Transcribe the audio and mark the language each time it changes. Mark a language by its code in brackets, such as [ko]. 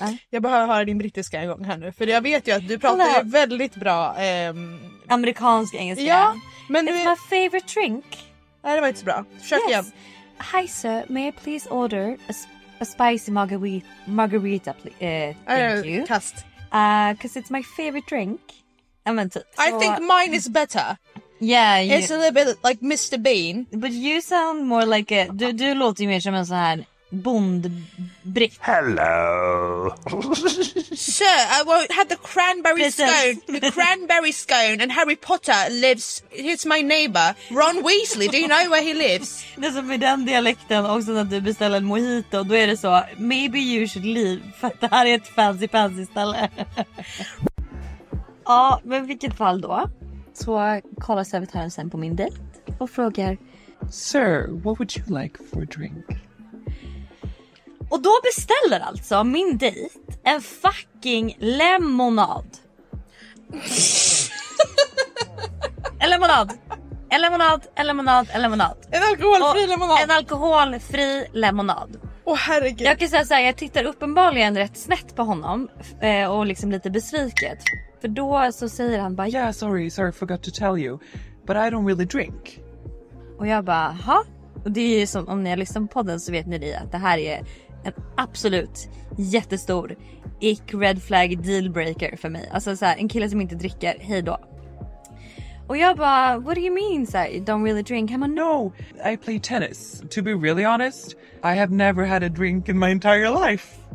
[sv] Jag behöver höra din brittiska en gång här nu. För jag vet ju att du pratar väldigt bra. Amerikansk engelska. Ja, men [en] it's my favorite drink. [sv] Nej, det var inte så bra. Försök igen. [en] Hi sir, may I please order a spicy margarita, please? Thank you. Kast. Because it's my favorite drink. I meant it. So, I think mine is better. Yeah. It's a little bit like Mr. Bean. But you sound more like a... [sv] Du låter mer som en sån här bondbritt. [en] Hello. Sir, I won't have the cranberry scone. The cranberry scone and Harry Potter lives... Here's my neighbor, Ron Weasley. Do you know where he lives? [sv] Det är som med den dialekten också när du beställer en mojito. Då är det så, [en] maybe you should leave. [sv] För att det här är ett fancy, fancy ställe. Ja, men vilket fall då? Så kollar servitören sen på min dejt och frågar... [en] Sir, what would you like for a drink? [sv] Och då beställer alltså min dejt en fucking lemonad. En lemonad. En alkoholfri lemonad. En alkoholfri lemonad. Åh, herregud. Jag kan säga så här, jag tittar uppenbarligen rätt snett på honom och liksom lite besviket. För då så säger han bara, [en] yeah, sorry, forgot to tell you, but I don't really drink. [sv] Och jag bara, ha? Och det är ju som, om ni har lyssnat på podden så vet ni det, att det här är en absolut jättestor ick red flag dealbreaker för mig. Alltså så här, en kille som inte dricker, hej då. Och jag bara, [en] what do you mean, [sv] så här, [en] don't really drink? [sv] Han bara, [en] no, I play tennis. To be really honest, I have never had a drink in my entire life.